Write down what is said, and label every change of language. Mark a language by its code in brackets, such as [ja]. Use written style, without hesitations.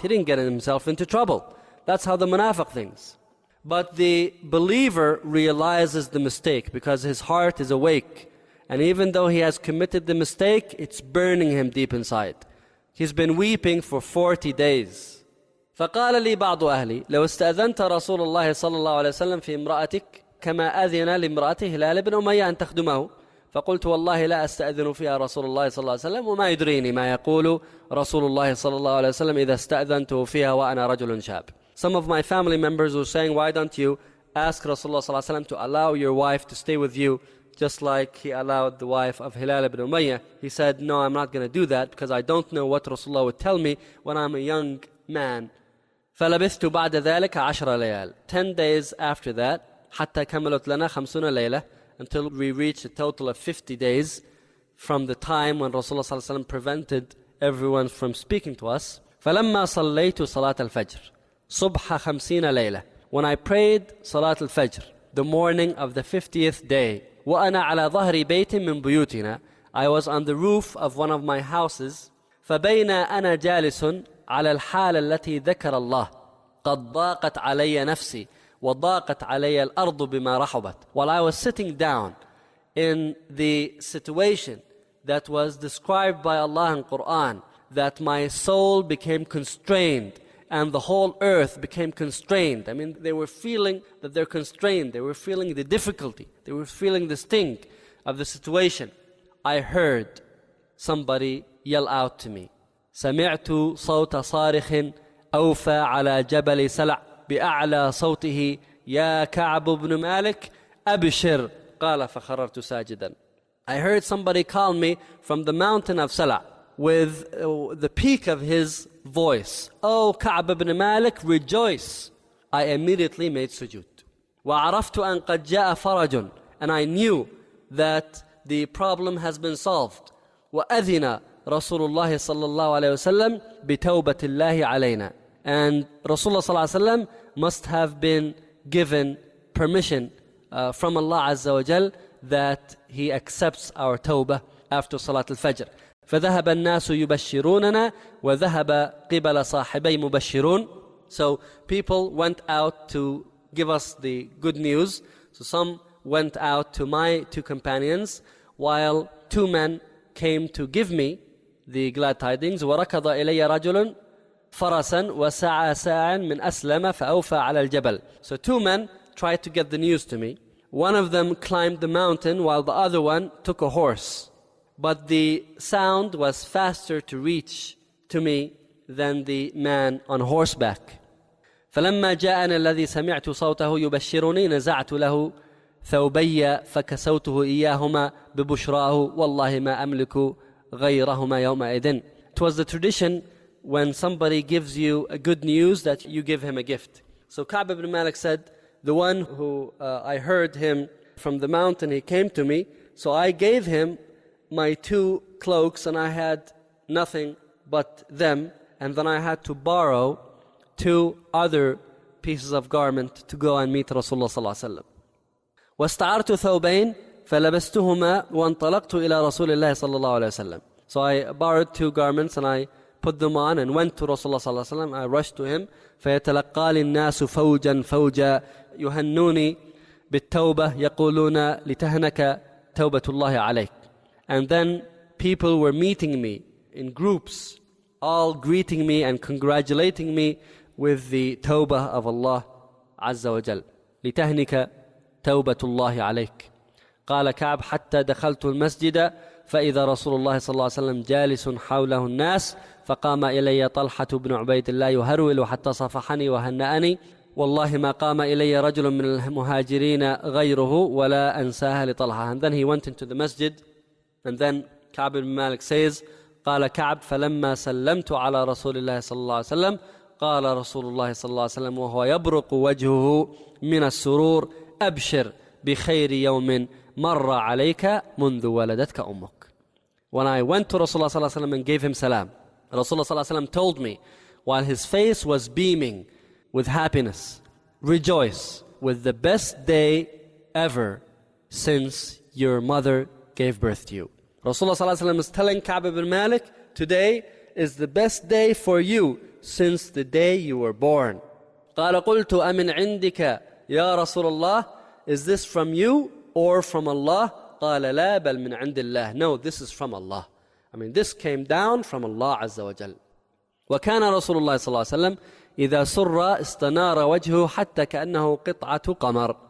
[en] He didn't get himself into trouble. That's how the munafiq thinks. But the believer realizes the mistake because his heart is awake. And even though he has committed the mistake, it's burning him deep inside. He's been weeping for 40 days. [ar] فَقَالَ لِي بَعْضُ أَهْلِي لَوْ اسْتَأَذَنْتَ رَسُولَ اللَّهِ صَلَى اللَّهُ عَلَيْهِ وَسَلَّمْ فِي امْرَأَتِكَ كَمَا أَذِنَ لِمْرَأَتِهِ هِلَالِ بْنُ أُمَيَّةَ أَنْ تَخْدُمَهُ فقلت والله لا استأذن فيها رسول الله صلى الله عليه وسلم وما يدريني ما يقول رسول الله صلى الله عليه وسلم إذا استأذنته فيها وأنا رجل شاب. [en] Some of my family members were saying, why don't you ask Rasulullah صلى الله عليه وسلم to allow your wife to stay with you just like he allowed the wife of Hilal ibn Umayyah. He said, no, I'm not going to do that because I don't know what Rasulullah would tell me when I'm a young man. [ar] فلبثت بعد ذلك 10 ليال. [en] 10 days after that, [ar] حتى كملت لنا 50 ليلة. [en] Until we reached a total of 50 days from the time when Rasulullah صلى الله عليه وسلم prevented everyone from speaking to us. [ar] فَلَمَّا صَلَّيْتُ صَلَاةَ الْفَجْرِ صُبْحَ 50 لَيْلَةً. [en] When I prayed صَلَاةَ الْفَجْرِ, the morning of the 50th day, [ar] وَأَنَا عَلَى ظَهْرِ بَيْتٍ مِّن بُيُوتِنَا, [en] I was on the roof of one of my houses. [ar] فَبَيْنَا أَنَا جَالِسٌ عَلَى الْحَالَ الَّتِي ذَكَرَ اللَّهِ قَدْ ضَاقَتْ عَلَيَّ نَفْسِي وَضَاقَتْ عَلَيَّ الْأَرْضُ بِمَا رَحُبَتْ. [en] While I was sitting down in the situation that was described by Allah in Quran, that my soul became constrained and the whole earth became constrained. I mean, they were feeling that they're constrained. They were feeling the difficulty. They were feeling the sting of the situation. I heard somebody yell out to me, [ar] سَمِعْتُ صَوْتَ صَارِخٍ أَوْفَى عَلَى جَبَلِ سَلَعْ بأعلى صوته يا كعب بن مالك أبشر قال فخررت ساجدا. [en] I heard somebody call me from the mountain of Sala with the peak of his voice. Oh, كعب بن مالك, rejoice. I immediately made sujood. [ar] وعرفت أن قد جاء فرج. [en] And I knew that the problem has been solved. [ar] وأذن رسول الله صلى الله عليه وسلم بتوبة الله علينا. [en] And Rasulullah صلى الله عليه وسلم must have been given permission from Allah عز وجل that he accepts our tawbah after Salat al-Fajr. [ar] فذهب الناس يبشروننا وذهب قبل صاحبي مبشرون. [en] So people went out to give us the good news. So some went out to my two companions while two men came to give me the glad tidings. [ar] وركض إلي رجل فرسا وساعة ساعة من أسلم فأوفى على الجبل. [en] So two men tried to get the news to me. One of them climbed the mountain while the other one took a horse. But the sound was faster to reach to me than the man on horseback. [ar] فلما جاءنا الذي سمعت صوته يبشرني نزعت له ثوبي فكسوته إياهما ببشراه والله ما أملك غيرهما يومئذ. [en] It was the tradition when somebody gives you a good news that you give him a gift. So Ka'b ibn Malik said, the one who I heard him from the mountain, he came to me. So I gave him my two cloaks and I had nothing but them. And then I had to borrow two other pieces of garment to go and meet Rasulullah صلى الله عليه وسلم. [ar] وَاسْتَعَرْتُ ثَوْبَيْنِ فَلَبَسْتُهُمَا وَانْطَلَقْتُ إِلَى رَسُولِ اللَّهِ صلى الله عليه وسلم. [en] So I borrowed two garments and I put them on and went to Rasulullah صلى الله عليه وسلم. I rushed to him. [ar] فيتلقى الناس فوجا فوجا يهنوني بالتوبة يقولون لتهنك توبة الله عليك. [en] And then people were meeting me in groups, all greeting me and congratulating me with the tawbah of Allah عز وجل. [ar] لتهنك توبة الله عليك. قال كعب حتى دخلت المسجد فإذا رسول الله صلى الله عليه وسلم جالس حوله الناس فقام إلي طلحة بن عبيد الله يهرول حتى صفحني وهنأني والله ما قام إلي رجل من المهاجرين غيره ولا أنساها لطلحة. [en] And then he went into the masjid, and then Ka'b ibn Malik says, [ar] قال كعب فلما سلمت على رسول الله صلى الله عليه وسلم قال رسول الله صلى الله عليه وسلم وهو يبرق وجهه من السرور أبشر بخير يوم مر عليك منذ ولدتك أمك. [en] When I went to Rasulullah صلى الله عليه وسلم and gave him salam, Rasulullah صلى الله عليه وسلم told me, while his face was beaming with happiness, rejoice with the best day ever since your mother gave birth to you. Rasulullah صلى الله عليه وسلم is telling Ka'b ibn Malik, today is the best day for you since the day you were born. [ar] قال قلت أمن عندك يا رسول الله, [en] is this from you or from Allah? [ar] قال لا بل من عند الله. [en] No, this is from Allah. I mean, this came down from Allah عز وجل. [ar] وكان رسول الله صلى الله عليه وسلم إذا سر استنار وجهه حتى كأنه قطعة قمر.